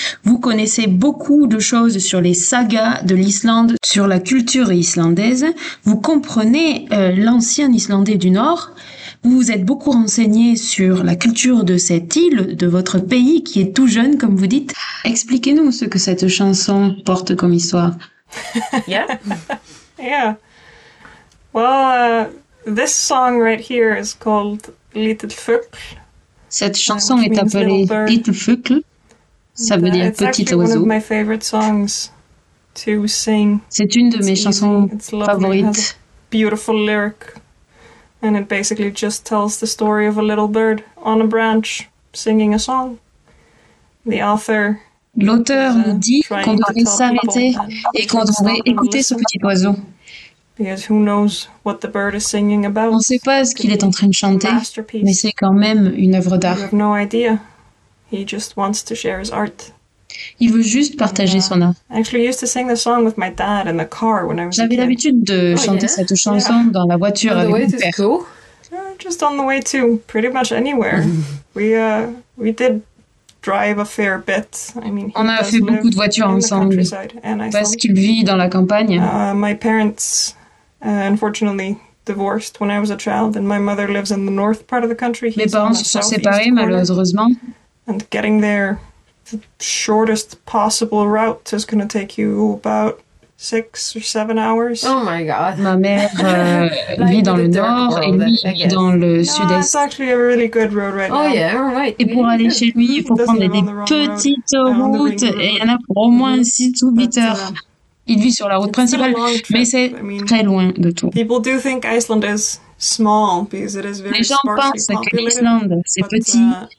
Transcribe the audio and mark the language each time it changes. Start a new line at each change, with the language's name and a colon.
French: Vous connaissez beaucoup de choses sur les sagas de l'Islande, sur la culture islandaise. Vous comprenez l'ancien Islandais du Nord. Vous vous êtes beaucoup renseignée sur la culture de cette île, de votre pays qui est tout jeune, comme vous dites. Expliquez-nous ce que cette chanson porte comme histoire.
English: Yeah. Well, this song right here is called... Little fugl.
French: Cette chanson est appelée Little fugl. Ça veut dire petit oiseau.
English: One of my favorite songs to sing.
French: C'est une de mes chansons favorites.
English: Beautiful lyric, and it basically just tells the story of a little bird on a branch singing a song. The author.
French: L'auteur dit qu'on devrait s'arrêter et qu'on devrait écouter ce petit oiseau.
English: Because who knows what the bird is singing about?
French: On ne sait pas ce qu'il est en train de chanter, mais c'est quand même une œuvre d'art.
English: You have no idea. He just wants to share his art.
French: Il veut juste partager son art.
English: Actually, I used to sing the song with my dad in the car when I was a kid.
French: J'avais l'habitude de chanter cette chanson dans la voiture avec mon père.
English: Just on the way to pretty much anywhere. we did drive a fair bit. I mean,
French: on a fait beaucoup de voitures ensemble parce qu'il vit dans la campagne.
English: My parents unfortunately divorced when I was a child and my mother lives in the north part of the country.
French: Mes parents se sont séparés malheureusement.
English: And getting there the shortest possible route is going to take you about 6 or 7 hours. Oh my god.
French: Ma mère vit dans le nord et lui dans le sud-est.
English: It's actually a really good road right now. Oh yeah, right.
French: Et pour aller chez lui, il faut prendre des petites routes et il y en a pour au moins 6 ou 8 heures. Il vit sur la route principale, mais c'est très loin de tout.
English: People do think Iceland is small because it is very sparsely populated.
French: Les gens pensent que l'Islande c'est petit